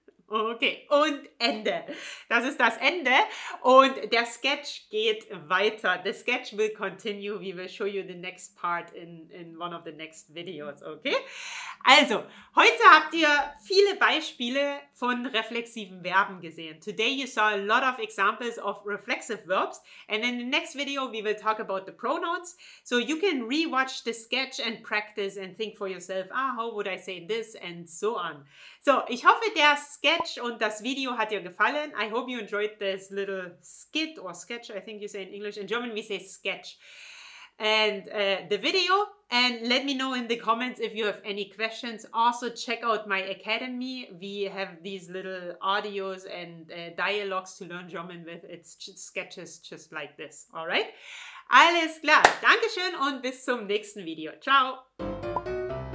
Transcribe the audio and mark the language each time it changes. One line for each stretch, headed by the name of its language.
German: Okay, und Ende. Das ist das Ende. Und der Sketch geht weiter.
English: The sketch will continue. We will show you the next part in one of the next videos, okay?
German: Also, heute habt ihr viele Beispiele von reflexiven Verben gesehen.
English: Today you saw a lot of examples of reflexive verbs. And in the next video, we will talk about the pronouns. So you can rewatch the sketch and practice and think for yourself, ah, how would I say this and so on.
German: So, ich hoffe, der Sketch und das Video hat dir gefallen.
English: I hope you enjoyed this little skit or sketch, I think you say in English. In German we say sketch. And the video. And let me know in the comments if you have any questions. Also, check out my academy. We have these little audios and dialogues to learn German with. It's just sketches just like this. All right?
German: Alles klar. Dankeschön und bis zum nächsten Video. Ciao.